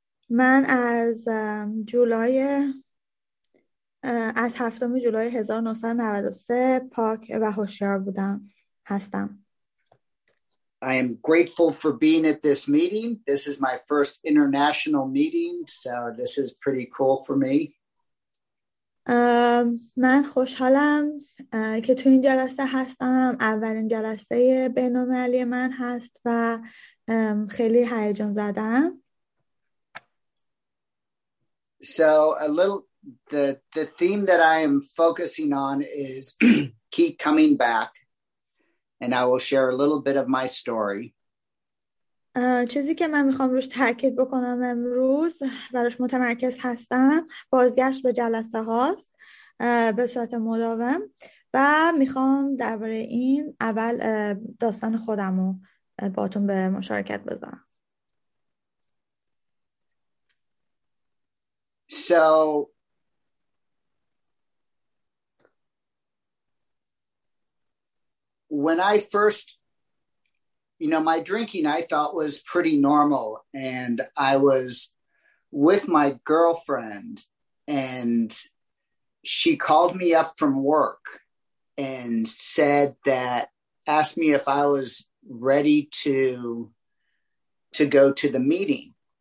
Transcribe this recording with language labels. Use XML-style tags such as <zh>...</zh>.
<fa>Man az July az 7th July 1993 pak va hoshyar budam hastam.</fa> <en>I am grateful for being at this meeting. This is my first international meeting, so this is pretty cool for me.</en> <fa>من خوشحالم که تو این جلسه هستم. اولین جلسه بین‌المللی من هست و خیلی هیجان زدم.</fa> <en>So a little the theme that I am focusing on is keep coming back. And I will share a little bit of my story.</en> <fa>چیزی که من میخوام روش تاکید بکنم امروز براش متمرکز هستم بازگشت به جلسه هاست به صورت مداوم و میخوام درباره این اول داستان خودم رو باهاتون به مشارکت بذارم.</fa> <en>So when I first, you know, my drinking I thought was pretty normal, and I was with my girlfriend, and she called me up from work and said that, asked me if I was ready to go to the meeting.</en>